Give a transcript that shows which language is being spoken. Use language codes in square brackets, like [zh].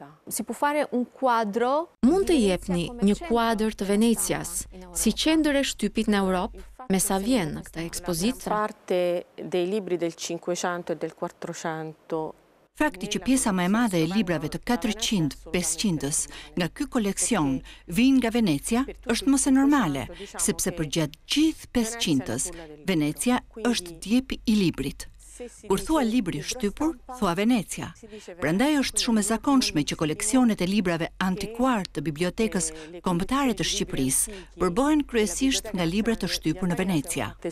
[sq] Mund të jepni një kuadër të Venecias si qendër e shtypit në Europë, me sa vjen në këtë ekspozitë? [it] Parte dei libri del 500 e del 400. [sq] Fakti që pjesa më e madhe e librave të 400-500-ës nga ky koleksion vijnë nga Venecia është mos e normale, sepse për gjatë gjithë 500-ës, Venecia është djepi i librit. Kur thua libri shtypur, thua Venecia. Prandaj është shumë e zakonshme që koleksionet e librave antikuar të Bibliotekës Kombëtare të Shqipërisë përbohen kryesisht nga libra të shtypur në Venecia.